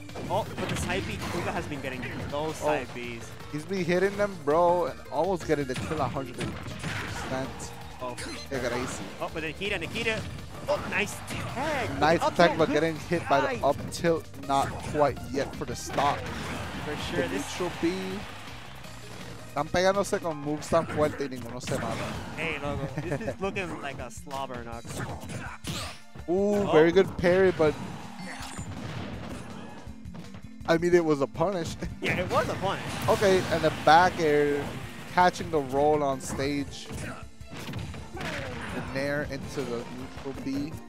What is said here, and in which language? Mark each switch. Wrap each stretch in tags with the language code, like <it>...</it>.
<en>Oh, but the side B, Kuga has been getting those side Bs. He's been hitting them, bro, and almost getting the kill 100%. Oh, crazy. Oh, but Nikita, Nikita. Oh, nice tag. Nice tag, but getting hit by the up tilt, not quite yet for the stock. For sure, the neutral B.</en> <es>Están pegándose con moves tan fuertes y ninguno se mata.</es> <en>Hey, logo, this is looking like a slobber knock. Ooh, oh. Very good parry, but... I mean, it was a punish. Yeah, it was a punish. Okay, and the back air, catching the roll on stage. The nair into the neutral B.</en>